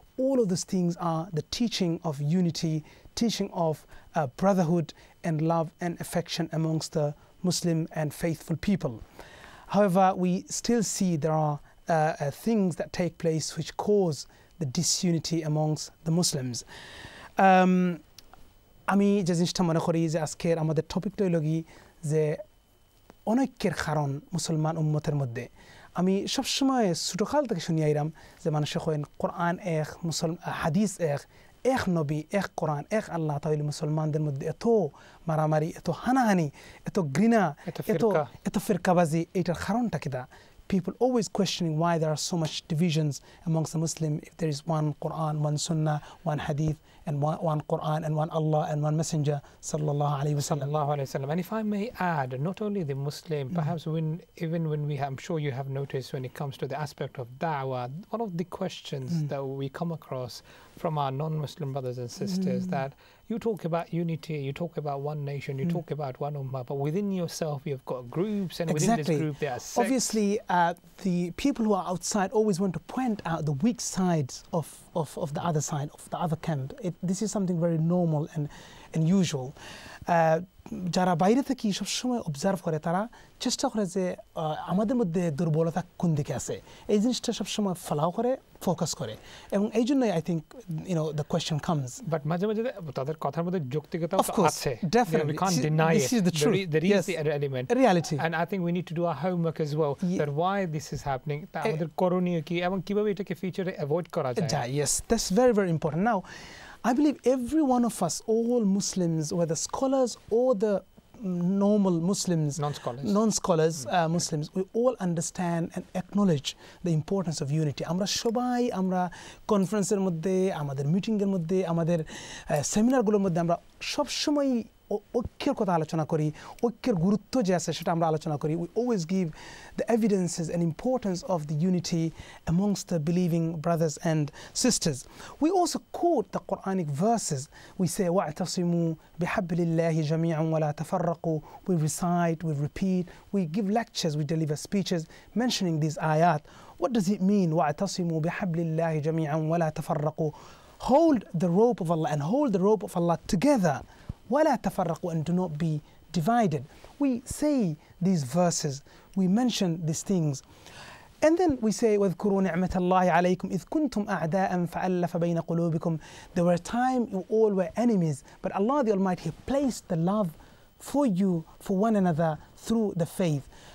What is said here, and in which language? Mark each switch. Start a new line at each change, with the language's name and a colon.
English: All of those things are the teaching of unity, teaching of brotherhood and love and affection amongst the Muslim and faithful people. However, we still see there are things that take place which cause the disunity amongst the Muslims.
Bangla: আমি যে জিনিসটা মনে করি যে আজকের আমাদের টপিকটা হইল কি যে অনৈক্যের কারণ মুসলমান উম্মতের মধ্যে। আমি সবসময় ছোটোকাল থেকে শুনিয়ে আইরাম যে মানুষে কেন কোরআন এক, মুসলমান হাদিস এক, এক নবী, এক কোরআন, এক আল্লাহ, তাহলে মুসলমানদের মধ্যে এত মারামারি, এত হানাহানি, এত ঘৃণা, এত এত ফিরকাবাজি, এইটার কারণটা কিটা?
English: People always questioning why there are so much divisions amongst the Muslim if there is one Quran, one Sunnah, one Hadith, and one Quran, and one Allah, and one Messenger, sallallahu alaihi wasallam. And if I may add, not only the Muslim, perhaps I'm sure you have noticed when it comes to the aspect of da'wah, one of the questions that we come across from our non-Muslim brothers and sisters that you talk about unity, you talk about one nation, you talk about one ummah, but within yourself you've got groups, and exactly. Within this group there are sects. Obviously, the people who are outside always want to point out the weak sides of the other side, of the other camp. This is something very normal and usual.
Bangla: যারা বাইরে থেকে সবসময় observe করে তারা চেষ্টা করে যে আমাদের মধ্যে দুর্বলতা কোন দিকে আছে, এই জিনিসটা সবসময় ফলাও করে, ফোকাস করে, এবং এই জন্যই
English: I think you know the question comes.
Bangla: But মাঝে মাঝে তাদের কথার মধ্যে যৌক্তিকতা আছে,
English: definitely, we can deny it, this is the truth, that is the element, reality, and I think we need to do our homework as well, that why this is happening,
Bangla: তা আমাদের করণীয় কি এবং কিভাবে এটাকে ফিউচারে অ্যাভয়েড করা যায়।
English: Yes, that's very very important. Now I believe every one of us, all Muslims, whether scholars or the normal Muslims, non-scholars, Muslims, we all understand and acknowledge the importance of unity.
Bangla: Amra shobai, amra conference-er moddhe, amader meeting-er moddhe, amader seminar-gulo moddhe, amra shobshomoy ঐক্যের কথা আলোচনা করি, ঐক্যের গুরুত্ব যে আছে সেটা আমরা আলোচনা করি।
English: We always give the evidences and importance of the unity amongst the believing brothers and sisters. We also quote the Quranic verses, we say
Arabic: ওয়াতাসিমু বিহাব্বিলিল্লাহি জামিআন ওয়া লা তাফাররাকু,
English: We recite, we repeat, we give lectures, we deliver speeches mentioning this আয়াত। What does it mean
Arabic: ওয়াতাসিমু বিহাব্বিলিল্লাহি জামিআন ওয়া লা তাফাররাকু,
English: hold the rope of Allah and hold the rope of Allah together,
Arabic: ولا تفرقوا
English: and do not be divided. We say these verses, we mention these things, and then we say
Arabic: واذكروا نعمة الله عليكم إذ كنتم أعداء فألف بين قلوبكم.
English: There were a time you all were enemies, but Allah the Almighty placed the love for you, for one another, through the faith.